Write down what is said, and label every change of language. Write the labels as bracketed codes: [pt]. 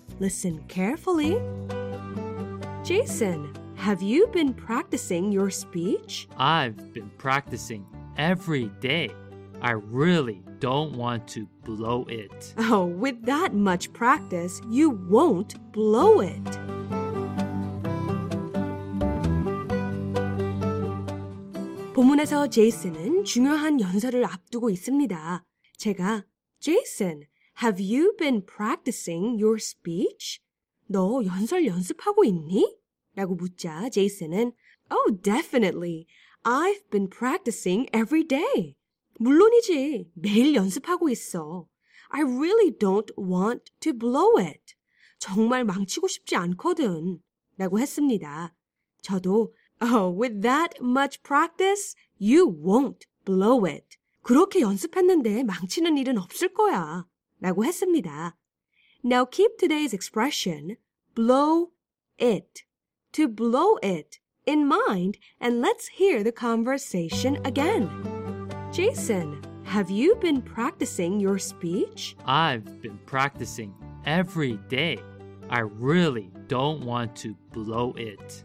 [en] Listen carefully. Jason, have you been practicing your speech? I've been practicing every day. I really don't want to blow it. Oh, with that much practice, you won't blow it. [ko] 본문에서 제이슨은 중요한 연설을 앞두고 있습니다. 제가 [en] Jason, have you been practicing your speech? [ko] 너 연설 연습하고 있니? 라고 묻자 제이슨은 [en] Oh, definitely. I've been practicing every day. [ko] 물론이지. 매일 연습하고 있어. [en] I really don't want to blow it. [ko] 정말 망치고 싶지 않거든. 라고 했습니다. 저도 [en] Oh, with that much practice, you won't blow it. [ko] 그렇게 연습했는데 망치는 일은 없을 거야. 라고 했습니다. [en] Now keep today's expression, blow it, to blow it, in mind, and let's hear the conversation again. Jason, have you been practicing your speech? I've been practicing every day. I really don't want to blow it.